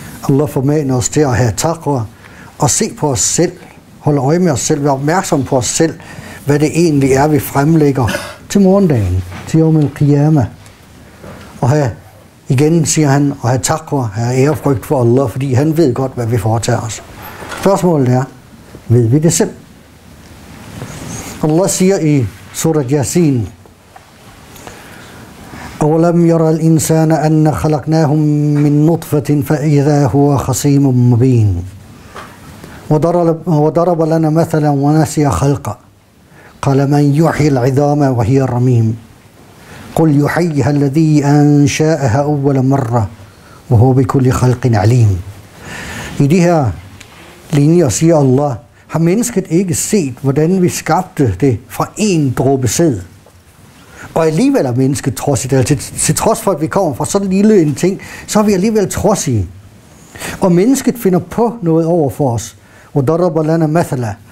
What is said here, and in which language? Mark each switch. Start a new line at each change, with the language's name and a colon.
Danish: Allah formaner os til at have taqwa, og se på os selv, holde øje med os selv, være opmærksom på os selv, hvad det egentlig er, vi fremlægger til morgendagen, til yawm al-qiyamah, og have igen, siger han, at have taqwa, at have ærefrygt for Allah, fordi han ved godt, hvad vi foretager os. Spørgsmålet er, ved vi det selv?
Arabic: Allah siger i surat Yasin, أَوَلَمْ يَرَى الْإِنسَانَ أَنَّ خَلَقْنَاهُمْ مِنْ نُطْفَةٍ فَإِذَا هُوَ خَصِيمٌ مُبِينٌ وَضَرَبَ لَنَا مَثَلًا وَنَسِيَ خَلْقًا قَالَ مَنْ يُحْيِي الْعِظَامَ وَهِيَ رَمِيمٌ قل يحييها الذي أنشأها أول مرة وهو بكل خلق عليم.
Danish: I de her linjer siger Allah, har mennesket ikke set, hvordan vi skabte det fra én dråbe sæd? Og alligevel er mennesket trodsigt, altså til trods for, at vi kommer fra så lille en ting, så er vi alligevel trodsige. Og mennesket finder på noget over for os.
Arabic: وَدَرَبَ لَنَا مَثَلًا.